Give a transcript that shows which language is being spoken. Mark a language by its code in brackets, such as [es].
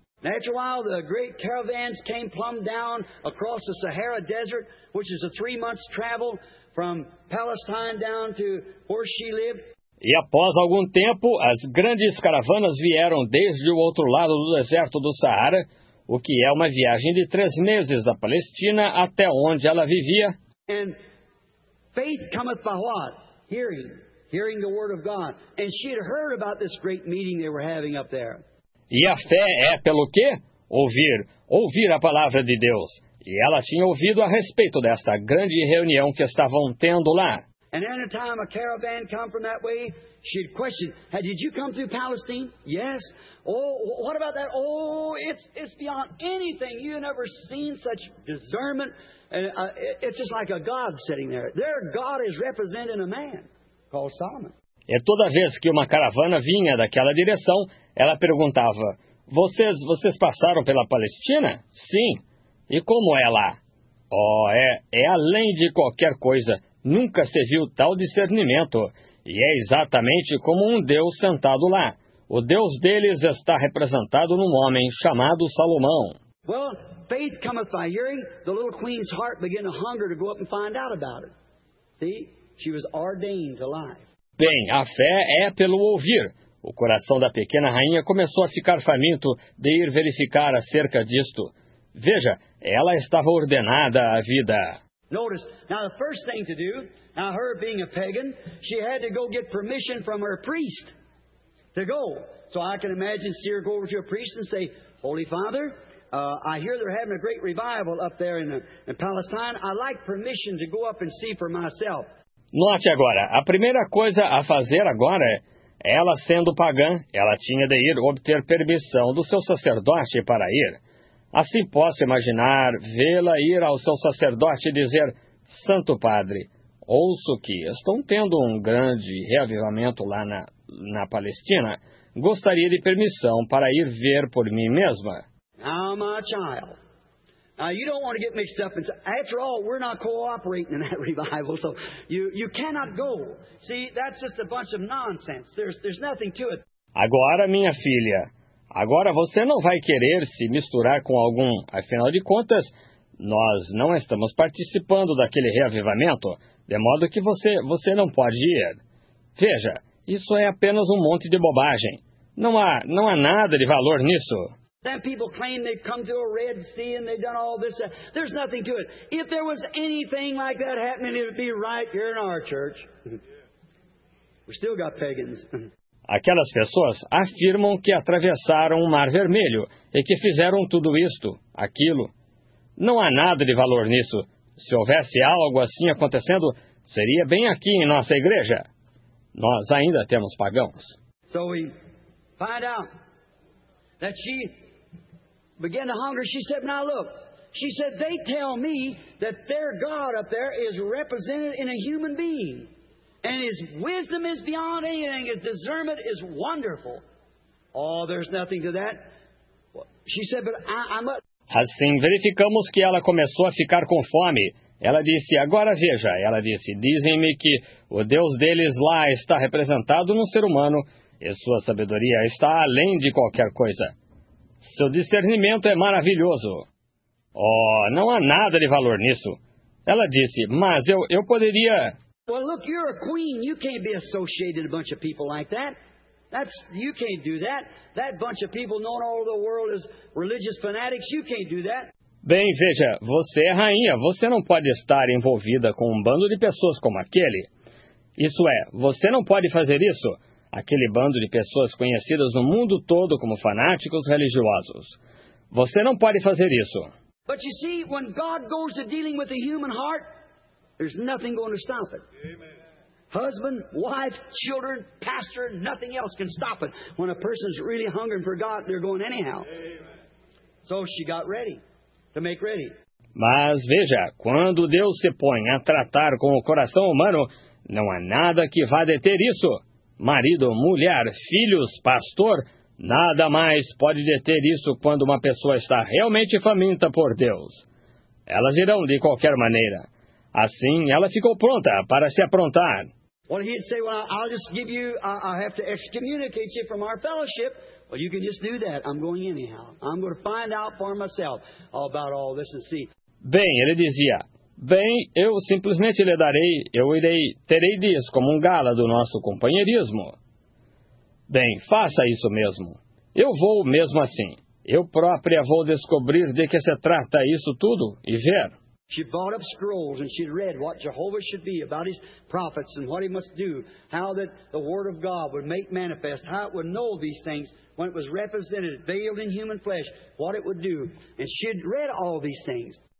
[en] After a while, the great caravans came plumb down across the Sahara Desert, which is a 3 months travel from Palestine down to where she lived. [pt] E após algum tempo, as grandes caravanas vieram desde o outro lado do deserto do Saara, o que é uma viagem de 3 meses da Palestina até onde ela vivia. [en] And faith cometh by what? Hearing the word of God. And she had heard about this great meeting they were having up there. [pt] E a fé é pelo quê? Ouvir a palavra de Deus. E ela tinha ouvido a respeito desta grande reunião que estavam tendo lá. [en] And any time a caravan come from that way, she'd question, hey, did you come through Palestine? Yes. Oh, what about that? Oh, it's beyond anything. You've never seen such discernment. It's just like a God sitting there. Their God is represented in a man called Solomon. [pt] E toda vez que uma caravana vinha daquela direção, ela perguntava, vocês passaram pela Palestina? Sim. E como é lá? Oh, é além de qualquer coisa. Nunca se viu tal discernimento. E é exatamente como um Deus sentado lá. O Deus deles está representado num homem chamado Salomão. [en] Well, faith cometh by hearing. The little queen's heart began to hunger to go up and find out about it. See? She was ordained alive. [pt] Bem, a fé é pelo ouvir. O coração da pequena rainha começou a ficar faminto de ir verificar acerca disto. Veja, ela estava ordenada à vida. [en] Notice, now the first thing to do, now her being a pagan, she had to go get permission from her priest to go. So I can imagine, see her go over to a priest and say, Holy Father, I hear they're having a great revival up there in Palestine. I'd like permission to go up and see for myself. [pt] Note agora, a primeira coisa a fazer agora é, ela sendo pagã, ela tinha de ir obter permissão do seu sacerdote para ir. Assim posso imaginar vê-la ir ao seu sacerdote e dizer, Santo Padre, ouço que estão tendo um grande reavivamento lá na Palestina. Gostaria de permissão para ir ver por mim mesma. [en] Now, my child. Now, you don't want to get mixed up. After all, we're not cooperating in that revival, so you cannot go. See, that's just a bunch of nonsense. There's nothing to it. [pt] Agora, minha filha, agora você não vai querer se misturar com algum. Afinal de contas, nós não estamos participando daquele reavivamento, de modo que você não pode ir. Veja, isso é apenas um monte de bobagem. Não há nada de valor nisso. [en] Then people claim they've come to a Red Sea and they've done all this. There's nothing to it. If there was anything like that happening, it would be right here in our church. We still got pagans. [pt] Aquelas pessoas afirmam que atravessaram o Mar Vermelho e que fizeram tudo isto, aquilo. Não há nada de valor nisso. Se houvesse algo assim acontecendo, seria bem aqui em nossa igreja. Nós ainda temos pagãos. [en] So we find out that she began to hunger. She said, now look, she said, they tell me that their God up there is represented in a human being. And his wisdom is beyond anything. His discernment is wonderful. Oh, there's nothing to that. She said, but I must. [pt] Assim, verificamos que ela começou a ficar com fome. Ela disse, agora veja, ela disse, dizem-me que o Deus deles lá está representado no ser humano e sua sabedoria está além de qualquer coisa. Seu discernimento é maravilhoso. Oh, não há nada de valor nisso. Ela disse, mas eu poderia. [en] Well, look, you're a queen. You can't be associated with a bunch of people like that. You can't do that. That bunch of people known all over the world as religious fanatics, you can't do that. [pt] Bem, veja, você é rainha. Você não pode estar envolvida com um bando de pessoas como aquele. Isso é, você não pode fazer isso. Aquele bando de pessoas conhecidas no mundo todo como fanáticos religiosos. Você não pode fazer isso. [en] But you see, when God goes to dealing with the human heart, there's nothing going to stop it. Husband, wife, children, pastor, nothing else can stop it. When a person's really hungering for God, they're going anyhow. So she got ready to make ready. [pt] Mas veja, quando Deus se põe a tratar com o coração humano, não há nada que vá deter isso. Marido, mulher, filhos, pastor, nada mais pode deter isso quando uma pessoa está realmente faminta por Deus. Elas irão de qualquer maneira. Assim, ela ficou pronta para se aprontar. [en] Well, he'd say, well, I'll just give you, I have to excommunicate you from our fellowship. Well, you can just do that. I'm going anyhow. I'm going to find out for myself about all this and see. [pt] Bem, ele dizia, bem, eu simplesmente lhe darei, eu irei, terei de excomungá-la do nosso companheirismo. Bem, faça isso mesmo. Eu vou mesmo assim. Eu própria vou descobrir de que se trata isso tudo e ver. [en] She bought up scrolls and she'd read what Jehovah should be about his prophets and what he must do, how that the word of God would make manifest, how it would know these things when it was represented, veiled in human flesh, what it would do. And she'd read all these things.